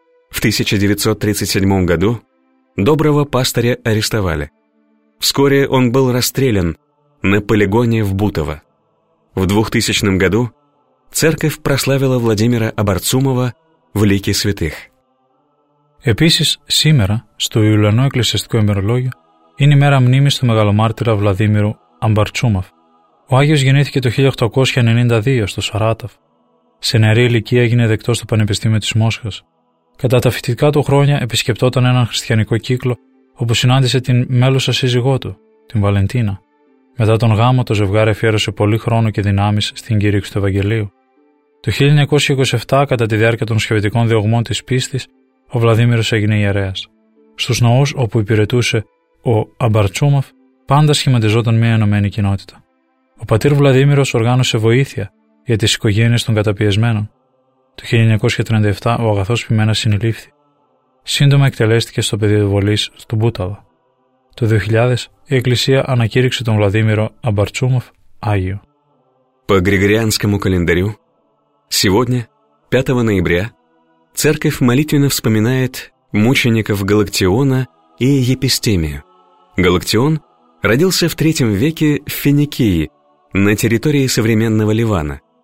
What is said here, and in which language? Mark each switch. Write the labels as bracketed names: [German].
[Russian] В 1937 году доброго пастыря арестовали. Вскоре он был расстрелян на полигоне в Бутово. В 2000 году церковь прославила Владимира Амбарцумова в лике святых. [Greek] Επίσης, σήμερα, στο Ιουλιανό Εκκλησιαστικό ημερολόγιο, είναι η μέρα μνήμης του μεγαλομάρτυρα Βλαδίμηρου Αμπαρτσούμαφ. Ο Άγιος γεννήθηκε το 1892 στο Σαράτοφ. Σε νεαρή ηλικία έγινε δεκτός στο Πανεπιστήμιο της Μόσχας. Κατά τα φοιτητικά του χρόνια επισκεπτόταν έναν χριστιανικό κύκλο όπου συνάντησε την μέλουσα σύζυγό του, την Βαλεντίνα. Μετά τον γάμο, το ζευγάρι αφιέρωσε πολύ χρόνο και δυνάμεις στην κήρυξη του Ευαγγελίου. Το 1927, κατά τη διάρκεια των σχεδιωτικών διωγμών της πίστης, ο Βλαδίμηρος έγινε ιερέας. Στους ναούς όπου υπηρετούσε ο Αμπαρτσούμαφ πάντα σχηματιζόταν μια ενωμένη κοινότητα. Ο πατήρ Βλαδίμηρος οργάνωσε βοήθεια για τις οικογένειες των καταπιεσμένων. Το 1937 ο αγαθός ποιμένας συνελήφθη. Σύντομα εκτελέστηκε στο πεδίο βολής του Μπούταβα. Το 2000 η Εκκλησία ανακήρυξε τον Βλαδίμηρο Αμπαρτσούμαφ Άγιο. [Russian] По Григорианскому календарю, сегодня, 5 ноября, церковь молитвенно вспоминает мучеников Галактиона и Епистемию. Галактион родился в III веке в Финикии, на территории современного Ливана.